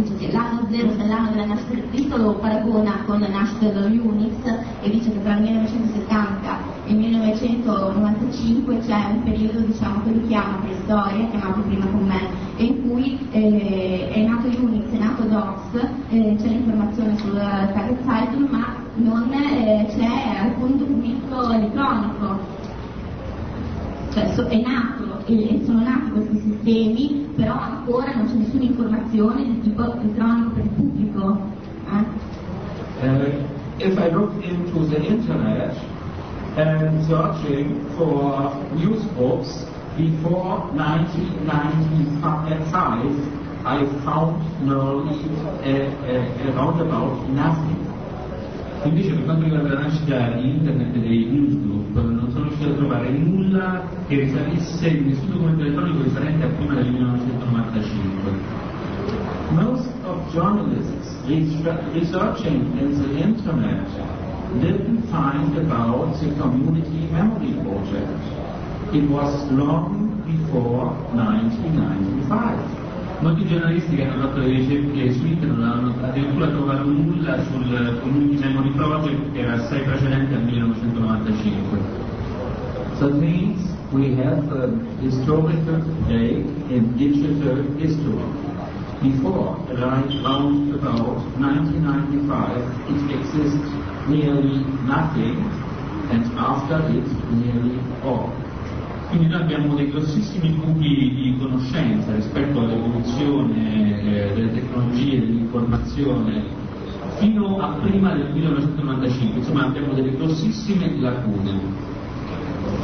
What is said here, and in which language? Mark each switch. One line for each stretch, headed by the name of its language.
Italian: L'anno zero, dell'anno della nascita del titolo, paragona con la nascita dell'Unix e dice che tra il 1970 e il 1995 c'è un periodo, diciamo, che lui chiama preistoria, chiamato prima con me, in cui è nato Unix, è nato DOS, c'è l'informazione sul Tageszeitung, ma non c'è alcun documento elettronico. Cioè, è nato, sono nati questi sistemi, però ancora non c'è nessuna informazione di tipo elettronico per il pubblico.
English: If I look into the internet and searching for news books before 1995, I found nearly around about nothing.
Italian: Quindi dice, per quanto riguarda la nascita di internet e dei newsgroup, non sono riuscito a trovare nulla che risalisse in nessun documento elettronico risalente a prima del 1995.
English: Most of journalists researching in the internet didn't find about the community memory project. It was long before 1995.
Italian: Molti giornalisti che hanno fatto le ricerche su internet non hanno addirittura trovato nulla sul community memory project che era assai precedente al 1995.
English: So it means we have a historical break in digital history. Before, right around about 1995, it exists nearly nothing, and after it, nearly all.
Italian: Quindi noi abbiamo dei grossissimi buchi di conoscenza rispetto all'evoluzione delle tecnologie dell'informazione fino a prima del 1995, insomma abbiamo delle grossissime lacune.